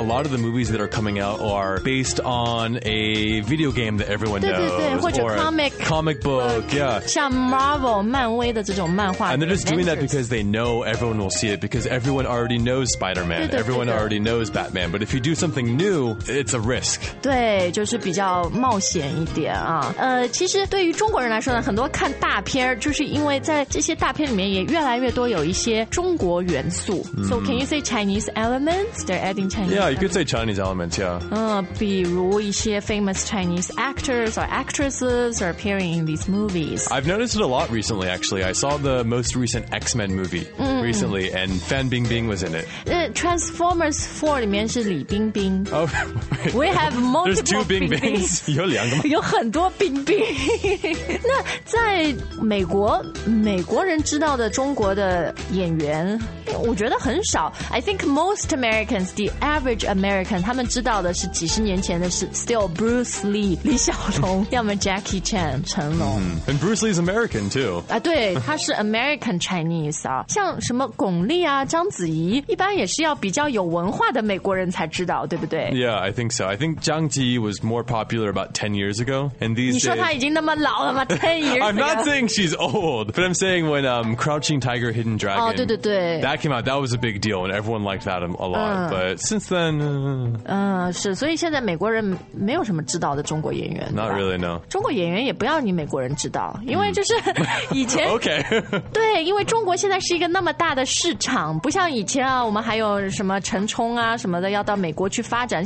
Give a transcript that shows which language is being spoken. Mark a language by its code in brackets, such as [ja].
[en] A lot of the movies that are coming out are based on a video game that everyone knows, [zh] 对对对，或者 comic book, [en] yeah. [zh] 像 Marvel 漫威的这种漫画 [en] ，and they're just doing that because they know everyone will see it because everyone already knows Spider-Man, everyone already knows Batman. But if you do something new, it's a risk. [zh] 对，就是比较冒险一点啊。其实对于中国人来说呢，很多看大片儿，就是因为在这些大片里面也越来越多有一些中国元素。 [en] Mm. So can you say Chinese elements? They're adding Chinese. Yeah, you could say Chinese elements. Yeah. [zh] 比如一些 [en] famous Chinese actors or actresses are appearing in these movies. I've noticed it a lot recently. Actually, I saw the most recent X-Men movie recently, and Fan Bingbing was in it. [zh] Transformers 4 里面是李冰冰。 [en] Oh, we have multiple. There's two Bingbings. [zh] 有两个吗？有很多冰冰。那在美国，美国人知道的中国的演员，我觉得很少。 [en] I think most Americans, the average American, [zh] 他们知道的是几十年前的是 [en] still Bruce Lee, 李小龙， [zh] 要么 [en] Jackie Chan, 成龙。 And Bruce Lee's American too. [zh] 啊，对，他是 [en] American Chinese [zh] 啊。像什么巩俐啊，章子怡，一般也是要比较有文化的美国人才知道，对不对 [en] ？Yeah, I think so. I think 章子怡 was more popular about 10 years ago. And these [zh] 你说她已经那么老了吗 ？ [en] 10 years. I'm not saying she's old, but I'm saying when Crouching Tiger, Hidden Dragon. [zh] 哦，对对对。 [en] That came out. That was a big deal, and everyone liked that a lot. But since then, [zh] 是，所以现在美国人没有什么知道的中国演员。 [en] Not really, no. [zh] 中国演员也不要你美国人知道，因为就是以前 [en] okay. [zh] 对，因为中国现在是一个那么大的市场，不像以前啊，我们还有什么陈冲啊什么的要到美国去发展。